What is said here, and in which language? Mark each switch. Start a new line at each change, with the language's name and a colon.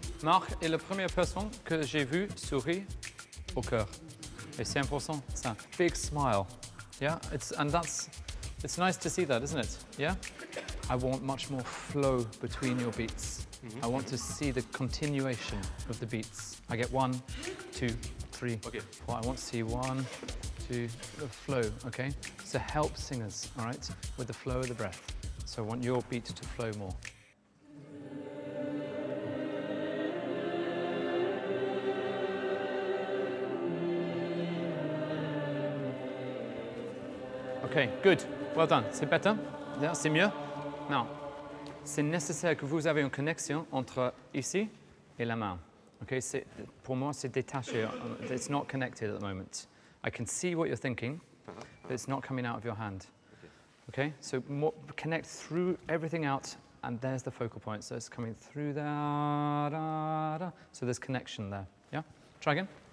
French: Marc est la première personne que j'ai vue sourire au cœur. Et c'est important, ça.
English: Big smile. Yeah, it's nice to see that, isn't it? Yeah? I want much more flow between your beats. I want to see the continuation of the beats. I get one, two, three, okay. Four. I want to see one, two, the flow, okay? So help singers, all right, with the flow of the breath. So I want your beat to flow more. Okay, good. Well done. C'est better? Yeah,
French: c'est mieux? Now, c'est nécessaire que vous avez une connexion entre ici et la main.
English: Okay,
French: c'est, pour moi, c'est détaché.
English: It's not connected at the moment. I can see what you're thinking, but it's not coming out of your hand. Okay, so connect through everything out, and there's the focal point. So it's coming through there. Da, da. So there's connection there. Yeah? Try again.